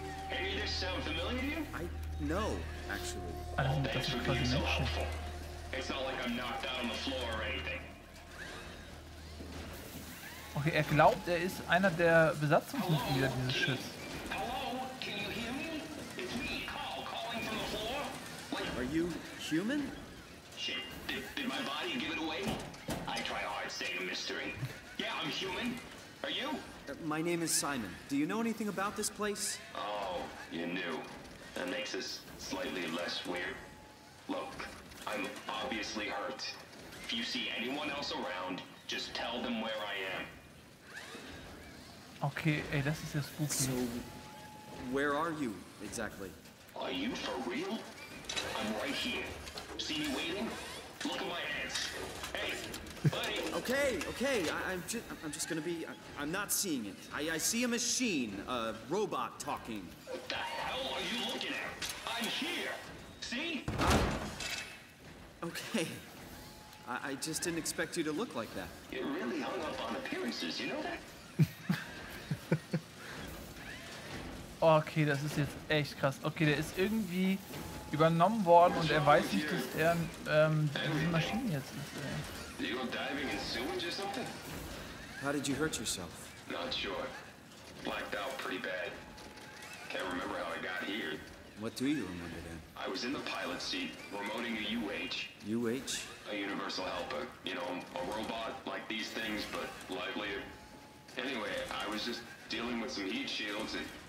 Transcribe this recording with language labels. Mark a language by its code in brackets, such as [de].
[en] Any of this sound familiar to you? I know, actually. Thanks for being so helpful. It's not like I'm knocked out on the floor or anything. [de] Okay, er glaubt, er ist einer der Besatzungsmitglieder dieses Schiffs. [en] Hello, can you hear me? It's me, Carl, calling from the floor. Wait, are you? Human? Shit, did my body give it away? I try hard staying a mystery. Yeah, I'm human. Are you? My name is Simon. Do you know anything about this place? Oh, you knew. That makes us slightly less weird. Look, I'm obviously hurt. If you see anyone else around, just tell them where I am. [de] Okay, ey, das ist ja spooky. [en] So, where are you exactly? Are you for real? I'm right here. See me waiting? Look at my hands. Hey, buddy. Okay. I'm just gonna be, I'm not seeing it. I see a machine, a robot talking. What the hell are you looking at? I'm here. See? Okay. I just didn't expect you to look like that. You're really hung up on appearances, you know that? [de] Okay, das ist jetzt echt krass. Okay, der ist irgendwie übernommen worden und er weiß nicht, dass er diese Maschine jetzt ist. [en] Did you go diving in sewage or something? How did you hurt yourself? Not sure. Blacked out pretty bad. Can't remember how I got here. What do you remember then? I was in the pilot seat, remoting a UH. UH? A universal helper. You know, a robot like these things, but livelier. Anyway, I was just dealing with some heat shields and...